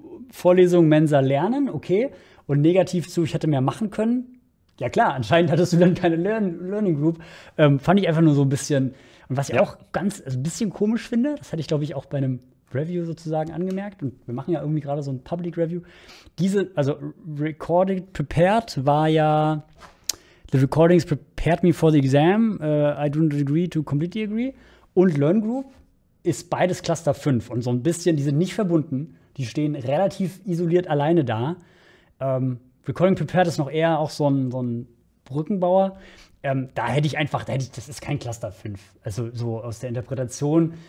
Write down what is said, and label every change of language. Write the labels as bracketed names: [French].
[German] Vorlesung, Mensa, Lernen, okay. Und negativ zu, ich hätte mehr machen können. Ja klar, anscheinend hattest du dann keine Learning Group. Fand ich einfach nur so ein bisschen. Und was ich Ja. auch ganz, also ein bisschen komisch finde, das hätte ich, glaube ich, auch bei einem Review sozusagen angemerkt, und wir machen ja irgendwie gerade so ein Public Review. [English] Also recorded prepared [German] war ja, [English] the recordings prepared me for the exam, I do not agree to completely agree. [German] Und Learn Group ist beides Cluster 5, und so ein bisschen, die sind nicht verbunden, die stehen relativ isoliert alleine da. Recording prepared ist noch eher auch so ein Brückenbauer. Da hätte ich, das ist kein Cluster 5. Also so aus der Interpretation.